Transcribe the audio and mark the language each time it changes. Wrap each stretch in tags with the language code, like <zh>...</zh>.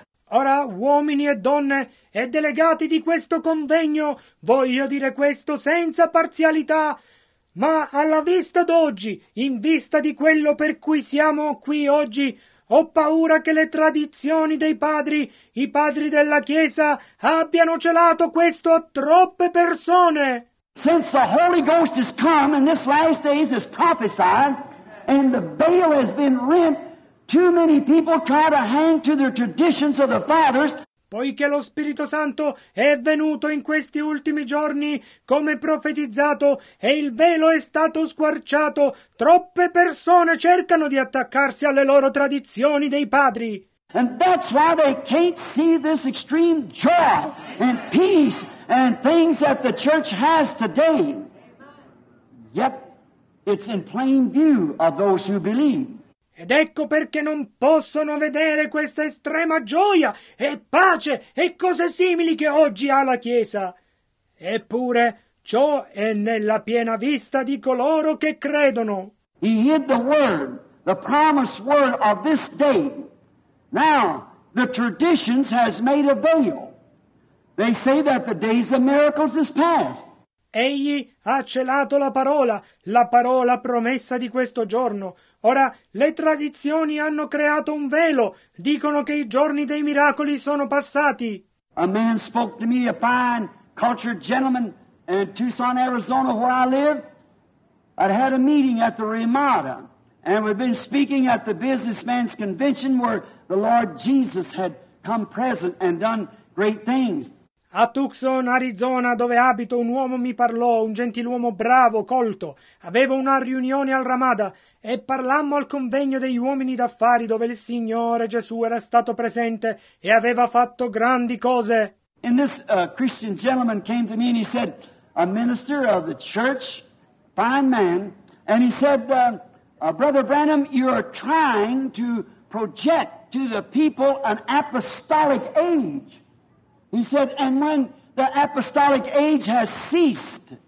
<it>Ora, uomini e donne, e delegati di questo convegno, voglio dire questo senza parzialità, ma alla vista d'oggi, in vista di quello per cui siamo qui oggi, ho paura che le tradizioni dei padri, i padri della Chiesa, abbiano celato questo a troppe persone.</it> <en>Since the Holy Ghost has come and this last days is prophesied, and the veil has been rent, too many people try to hang to their traditions of the fathers.</en> <it>Poiché lo Spirito Santo è venuto in questi ultimi giorni, come profetizzato, e il velo è stato squarciato, troppe persone cercano di attaccarsi alle loro tradizioni dei padri.</it> <en>And that's why they can't see this extreme joy and peace and things that the church has today. Yet, it's in plain view of those who believe.</en> <it>Ed ecco perché non possono vedere questa estrema gioia e pace e cose simili che oggi ha la Chiesa. Eppure, ciò è nella piena vista di coloro che credono.</it> <en>He hid the word, the promised word of this day. Now, the traditions has made a veil. They say that the days of miracles is past.</en> <it>Egli ha celato la parola promessa di questo giorno. Ora, le tradizioni hanno creato un velo. Dicono che i giorni dei miracoli sono passati.</it> <en>A man spoke to me, a fine, cultured gentleman in Tucson, Arizona, where I live. I'd had a meeting at the Ramada, and we'd been speaking at the businessman's convention where the Lord Jesus had come present and done great things.</en> <it>A Tucson, Arizona, dove abito, un uomo mi parlò, un gentiluomo bravo, colto. Avevo una riunione al Ramada e parlammo al convegno degli uomini d'affari dove il Signore Gesù era stato presente e aveva fatto grandi cose.</it> <en>And this Christian gentleman came to me and he said, a minister of the church, fine man, and he said, Brother Branham, you are trying to project to the people an apostolic age. He said, and when the apostolic age has ceased.</en>